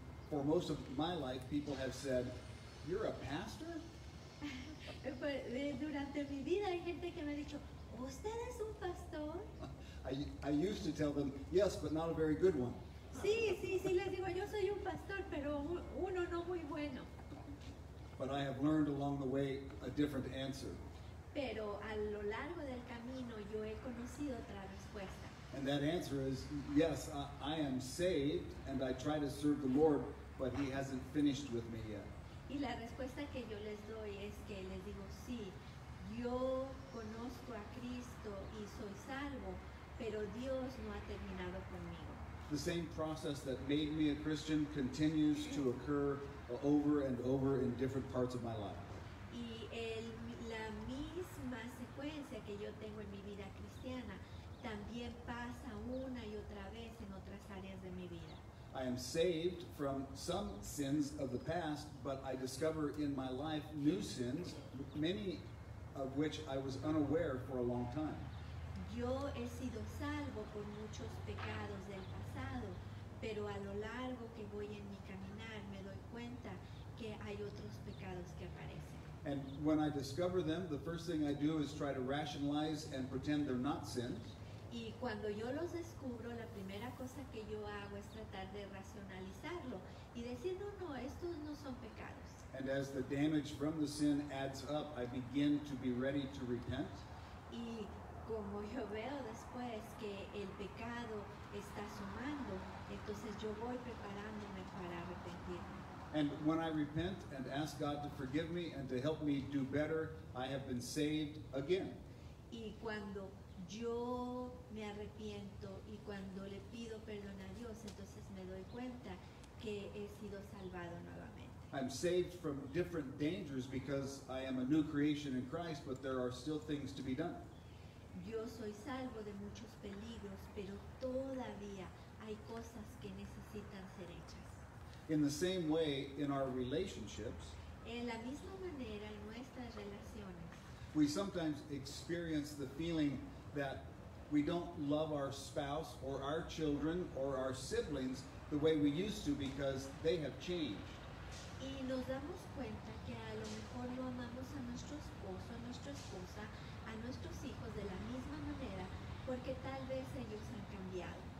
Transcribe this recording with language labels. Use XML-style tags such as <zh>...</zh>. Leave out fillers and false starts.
<en>For most of my life, people have said, you're a pastor?</en> <es>Durante mi vida hay gente que me ha dicho, ¿usted es un pastor?</es> <en>I used to tell them, yes, but not a very good one.</en> <es>Sí, sí, sí, les digo, yo soy un pastor, pero uno no muy bueno.</es> <en>But I have learned along the way a different answer.</en> <es>Pero a lo largo del camino yo he conocido otra respuesta.</es> <en>And that answer is, yes, I am saved, and I try to serve the Lord, but he hasn't finished with me yet.</en> <es>Y la respuesta que yo les doy es que les digo, sí, yo conozco a Cristo y soy salvo, pero Dios no ha terminado conmigo.</es> <en>The same process that made me a Christian continues to occur over and over in different parts of my life.</en> <es>Y la misma secuencia que yo tengo en mi vida cristiana también pasa una y otra vez en otras áreas de mi vida.</es> <en>I am saved from some sins of the past, but I discover in my life new sins, many of which I was unaware for a long time.</en> <es>Yo he sido salvo por muchos pecados del pasado, pero a lo largo que voy en mi caminar me doy cuenta que hay otros pecados que aparecen.</es> <en>And when I discover them, the first thing I do is try to rationalize and pretend they're not sins.</en> <es>Y cuando yo los descubro, la primera cosa que yo hago es tratar de racionalizarlo y decir, no, no, estos no son pecados.</es> <en>And as the damage from the sin adds up, I begin to be ready to repent.</en> <es>Y como yo veo después que el pecado está sumando, entonces yo voy preparándome para arrepentirme.</es> <en>And when I repent and ask God to forgive me and to help me do better, I have been saved again.</en> <es>Y cuando yo me arrepiento y cuando le pido perdón a Dios, entonces me doy cuenta que he sido salvado nuevamente.</es> <en>I'm saved from different dangers because I am a new creation in Christ, but there are still things to be done.</en> <es>Yo soy salvo de muchos peligros, pero todavía hay cosas que necesitan ser hechas.</es> <en>In the same way, in our relationships,</en> <es>en la misma manera, en nuestras relaciones,</es> <en>we sometimes experience the feeling that we don't love our spouse or our children or our siblings the way we used to because they have changed.</en> <es>Y nos damos cuenta que a lo mejor no amamos a nuestro esposo, a nuestra esposa, a nuestros hijos de la misma manera porque tal vez ellos han cambiado.</es>